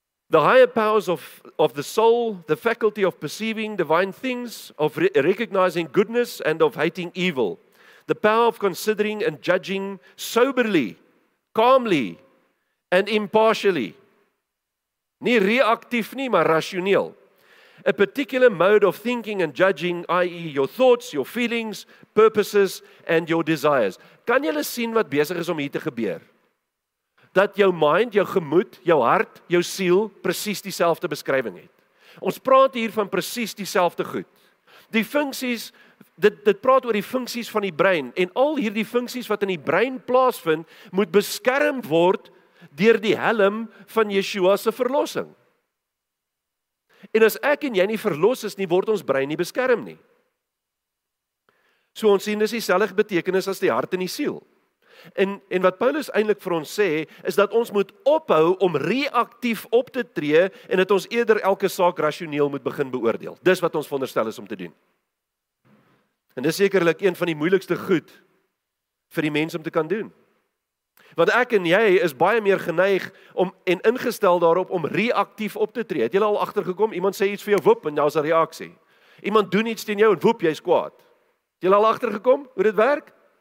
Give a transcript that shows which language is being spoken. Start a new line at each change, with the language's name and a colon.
English: The higher powers of the soul, the faculty of perceiving divine things, of recognizing goodness and of hating evil, the power of considering and judging soberly, calmly, and impartially.
Afrikaans: Nie reactief nie, maar rationeel.
English: A particular mode of thinking and judging, i.e. your thoughts, your feelings, purposes, and your desires.
Afrikaans: Kan julle sien wat besig is om hier te gebeur? Dat jou mind, jou gemoed, jou hart, jou siel, precies dieselfde beskrywing het. Ons praat hier van precies dieselfde goed. Die funksies, dit praat oor die funksies van die brein, en al hier die funksies wat in die brein plaasvind, moet beskerm word deur die helm van Yeshua se verlossing. En as ek en jy nie verlos is nie, word ons brein nie beskerm nie. So ons sien dis dieselfde betekenis as die hart en die siel. En wat Paulus eintlik vir ons sê, is dat ons moet ophou om reactief op te tree en dat ons eerder elke saak rationeel moet begin beoordeel. Dis wat ons veronderstel is om te doen. En dis sekerlik een van die moeilikste goed vir die mens om te kan doen. Want ek en jy is baie meer geneig om en ingestel daarop om reactief op te tree. Het julle al agtergekom? Iemand sê iets vir jou, woep, en daar is 'n reaksie. Iemand doen iets teen jou en woep, jy is kwaad. Het julle al agtergekom hoe dit werk?